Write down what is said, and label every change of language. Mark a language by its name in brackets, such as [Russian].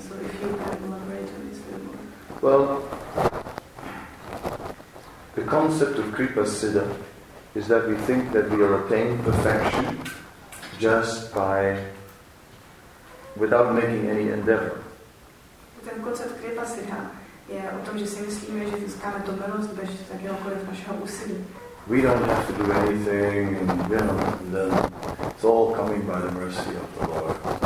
[English] So if you can elaborate on this a little more. Well, the concept of Kripa Siddha is that we think that we will attain perfection just by without making any endeavor. [Czech] Ten koncept Kripa Siddha je o tom, že si myslíme, že získáme dobrost bez jakéhokoliv našeho úsilí. [English] We don't have to do anything, and you know, then it's all coming by the mercy of the Lord.